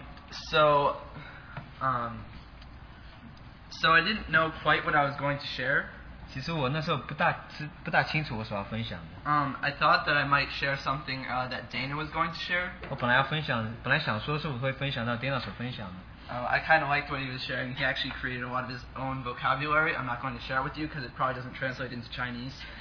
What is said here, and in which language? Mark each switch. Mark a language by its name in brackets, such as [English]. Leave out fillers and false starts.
[English] So I didn't know quite what I was going to share. [Chinese] 其实我那时候不大清楚我所要分享的。 [English] I thought that I might share something that Dana was going to share. [Chinese] 我本来想说是我会分享到Dana所分享的。 [English] I kind of liked what he was sharing. He actually created a lot of his own vocabulary. I'm not going to share it with you because it probably doesn't translate into Chinese.